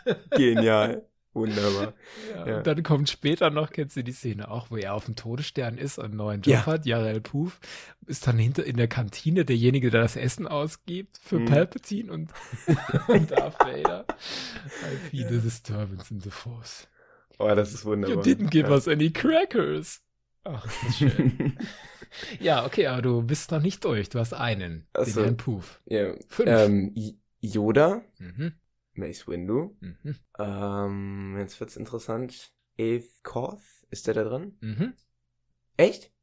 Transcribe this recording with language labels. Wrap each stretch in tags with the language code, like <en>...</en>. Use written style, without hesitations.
<de>Genial. Wunderbar. Ja. Und dann kommt später noch, kennst du die Szene auch, wo er auf dem Todesstern ist und einen neuen Job hat, Yarail Poof, ist dann hinter in der Kantine derjenige, der das Essen ausgibt für Palpatine und, und Darth Vader.</de> <en>I feel the disturbance in the Force.</en> <de>Oh, das ist wunderbar.</de> <en>You didn't give us any crackers.</en> <de>Ach, das ist schön. Ja, okay, aber du bist noch nicht durch. Du hast einen, also, den Yarail Poof. Yeah. 5. Yoda. Mace Windu. Jetzt wird's interessant. Aeth Koth, ist der da drin? Echt?</de>